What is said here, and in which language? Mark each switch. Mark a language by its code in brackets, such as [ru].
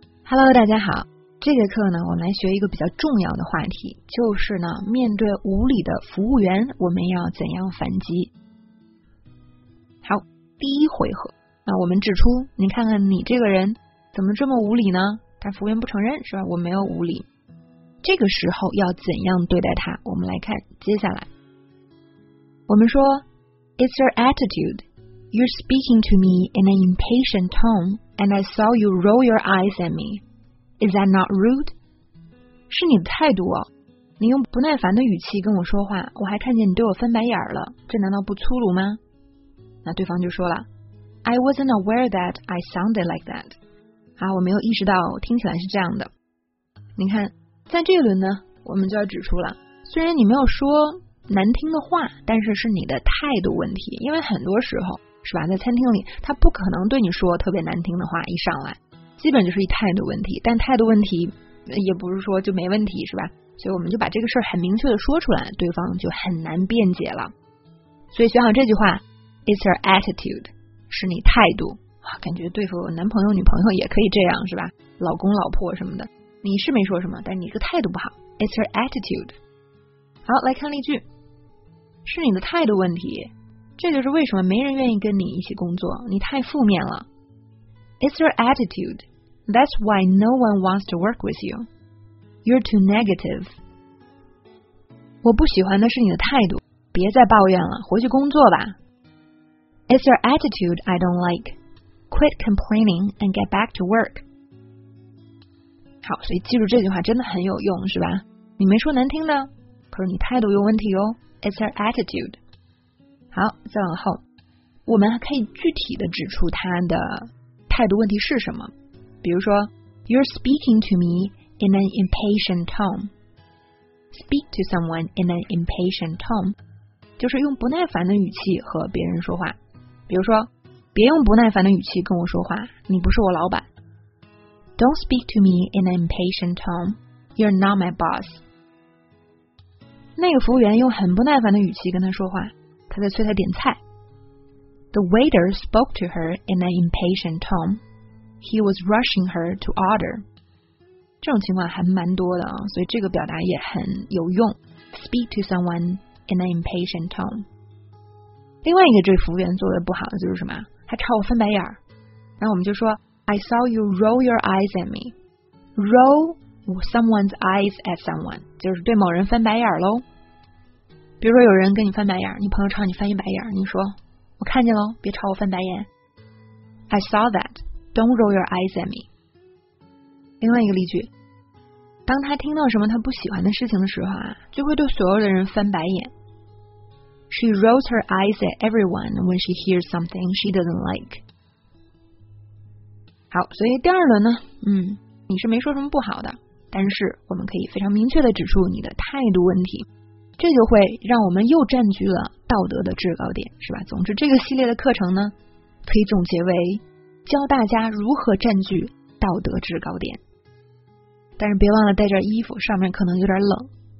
[zh] Hello， 大家好，这个课呢，我们来学一个比较重要的话题，就是呢，面对无理的服务员，我们要怎样反击？好，第一回合，那我们指出，你看看你这个人怎么这么无理呢？但服务员不承认，是吧？我没有无理。这个时候要怎样对待他？我们来看接下来。我们说 [en] ，It's your attitude. You're speaking to me in an impatient tone, and I saw you roll your eyes at me. Is that not rude? [zh] 是你的态度哦，你用不耐烦的语气跟我说话，我还看见你对我翻白眼了，这难道不粗鲁吗？那对方就说了 [en] ，I wasn't aware that I sounded like that. [zh] 啊，我没有意识到我听起来是这样的。你看，在这一轮呢，我们就要指出了，虽然你没有说难听的话，但是是你的态度问题。因为很多时候是吧，在餐厅里他不可能对你说特别难听的话，一上来基本就是一态度问题，但态度问题也不是说就没问题是吧，所以我们就把这个事儿很明确的说出来，对方就很难辩解了。所以学好这句话， [en] It's your attitude， [zh] 是你态度，感觉对付男朋友女朋友也可以这样是吧，老公老婆什么的，你是没说什么，但你这个态度不好， It's your attitude。好，来看例句，是你的态度问题，这就是为什么没人愿意跟你一起工作，你太负面了。 [en] It's your attitude. That's why no one wants to work with you. You're too negative. [zh] 我不喜欢的是你的态度，别再抱怨了，回去工作吧。 [en] It's your attitude I don't like. Quit complaining and get back to work. [zh] 好，所以记住这句话真的很有用，是吧？你没说难听的，可是你态度有问题哦， [en] It's her attitude。 [zh] 好，再往后我们还可以具体的指出他的态度问题是什么，比如说 [en] You're speaking to me in an impatient tone. Speak to someone in an impatient tone [zh] 就是用不耐烦的语气和别人说话，比如说别用不耐烦的语气跟我说话，你不是我老板。 [en] Don't speak to me in an impatient tone. You're not my boss. [zh] 那个服务员用很不耐烦的语气跟他说话，他在催他点菜。 [en] The waiter spoke to her in an impatient tone. He was rushing her to order. [zh] 这种情况还蛮多的啊，所以这个表达也很有用。 [en] Speak to someone in an impatient tone. [zh] 另外一个这服务员做的不好的就是什么？他朝我翻白眼儿。然后我们就说 [en] ，I saw you roll your eyes at me. Roll. Someone's eyes at someone [zh] 就是对某人翻白眼喽。比如说有人跟你翻白眼，你朋友朝你翻一白眼，你说我看见喽，别朝我翻白眼。 [en] I saw that. Don't roll your eyes at me. [zh] 另外一个例句，当他听到什么他不喜欢的事情的时候啊，就会对所有的人翻白眼。 [en] She rolls her eyes at everyone when she hears something she doesn't like. [zh] 好，所以第二轮呢，你是没说什么不好的。但是我们可以非常明确地指出你的态度问题，这就会让我们又占据了道德的制高点，是吧？总之这个系列的课程呢，可以总结为教大家如何占据道德制高点。但是别忘了带着衣服，上面可能有点冷。